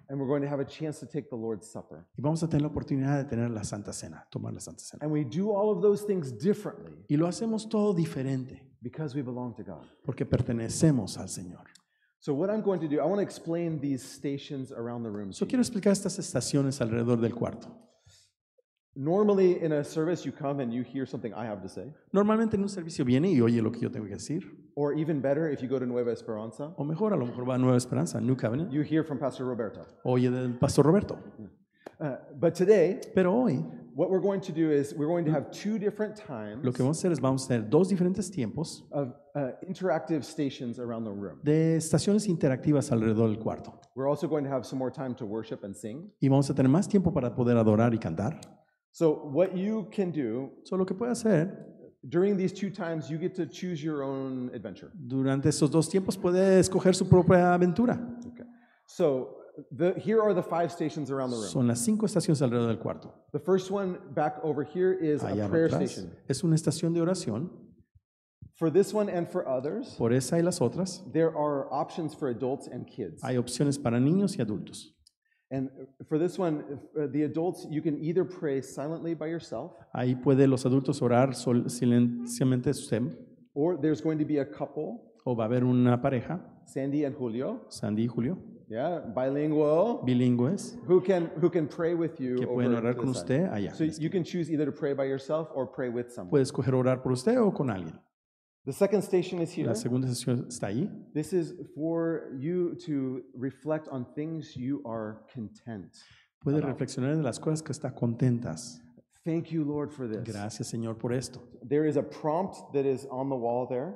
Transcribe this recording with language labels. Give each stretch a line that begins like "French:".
English: And we're going to have a chance to take the Lord's Supper.
Spanish: Y vamos a tener la oportunidad de tener la Santa Cena, tomar la Santa Cena.
English: And we do all of those things differently.
Spanish: Y lo hacemos todo diferente.
English: Because we belong to God.
Spanish: Porque pertenecemos al Señor.
English: So what I'm going to do, I want to explain these stations around the room.
Spanish: Yo quiero explicar estas estaciones alrededor del cuarto.
English: Normally in a service you come and you hear something I have to say.
Spanish: Normalmente en un servicio viene y oye lo que yo tengo que decir.
English: Or even better if you go to Nueva Esperanza.
Spanish: O mejor, a lo mejor va a Nueva Esperanza, New Covenant.
English: You hear from Pastor Roberto.
Spanish: Oye del Pastor Roberto.
English: But today,
Spanish: pero hoy,
English: what we're going to do is we're going to have two different times.
Spanish: Lo que vamos a hacer es vamos a tener dos diferentes tiempos
English: of interactive stations around the room.
Spanish: De estaciones interactivas alrededor del cuarto.
English: We're also going to have some more time to worship and sing.
Spanish: Y vamos a tener más tiempo para poder adorar y cantar.
English: So what you can do,
Spanish: so lo que puedes hacer,
English: during these two times you get to choose your own adventure.
Spanish: Durante estos dos tiempos puede escoger su propia aventura.
English: Okay. So here are the five stations around the room.
Spanish: Son las cinco estaciones alrededor del cuarto.
English: The first one back over here is
Spanish: allá
English: a prayer
Spanish: atrás.
English: Station.
Spanish: Es una estación de oración.
English: For this one and for others.
Spanish: Por esa y las otras.
English: There are options for adults and kids.
Spanish: Hay opciones para niños y adultos.
English: And for this one, the adults, you can either pray silently by yourself.
Spanish: Ahí puede los adultos orar silenciosamente usted.
English: Or there's going to be a couple.
Spanish: O va a haber una pareja.
English: Sandy and Julio.
Spanish: Sandy y Julio.
English: Yeah, bilingual.
Spanish: Bilingües.
English: Who can pray with you?
Spanish: Que pueden orar con usted allá.
English: So you can choose either to pray by yourself or pray with someone.
Spanish: Puedes escoger orar por usted o con alguien.
English: The second station is here.
Spanish: La segunda estación está ahí.
English: This is for you to reflect on things you are content.
Spanish: Puede reflexionar en las cosas que está contentas.
English: Thank you, Lord, for this.
Spanish: Gracias, Señor, por esto.
English: There is a prompt that is on the wall there.